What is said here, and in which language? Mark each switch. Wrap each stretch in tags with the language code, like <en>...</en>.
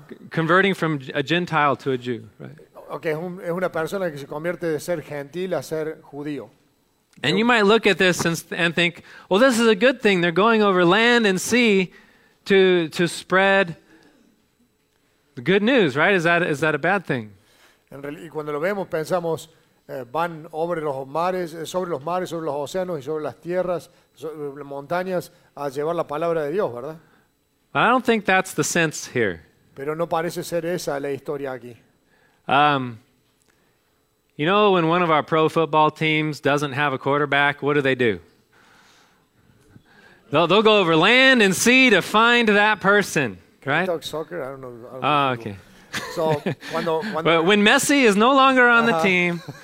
<en>Converting from a Gentile to a Jew, right?</en> <es>Okay, es una persona que se convierte de ser gentil a ser judío.</es> <en>And you might look at this and think, well, this is a good thing. They're going over land and sea to spread the good news, right? Is that a bad thing?</en> <es>Y cuando lo vemos, pensamos, van sobre los mares, sobre los océanos y sobre las tierras, sobre las montañas, a llevar la palabra de Dios, ¿verdad?</es> <en>I don't think that's the sense here.</en> <es>Pero no parece ser esa la historia aquí.</es> <en>You know, when one of our pro football teams doesn't have a quarterback, what do they do? They'll go over land and sea to find that person, right? Can we talk soccer? I don't know. Oh, okay. So but when Messi is no longer on the team,</en>